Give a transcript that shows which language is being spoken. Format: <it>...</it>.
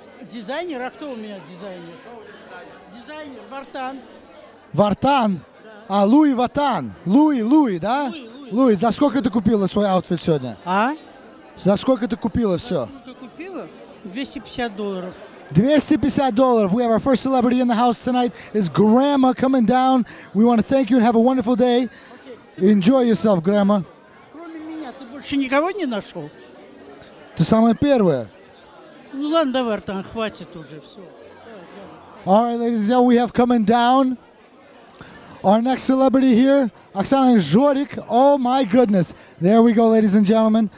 <ru>Дизайнер? А кто у меня дизайнер? Дизайнер, Вартан. Вартан? Да. А, Луи Вартан. Луи, да? Луи. Луи, за сколько ты купила свой аутфит сегодня? А? За сколько ты купила все? За сколько купила? $250. $250.</ru> <en>We have our first celebrity in the house tonight. It's Grandma coming down. We want to thank you and have a wonderful day. Okay. Enjoy yourself, Grandma.</en> <ru>Кроме меня, ты больше никого не нашел? Ты самая первая. Ну ладно, давай, Артан, хватит уже, все.</ru> <en>All right, ladies and gentlemen, we have coming down our next celebrity here, Оксана Жорик. Oh my goodness. There we go, ladies and gentlemen.</en>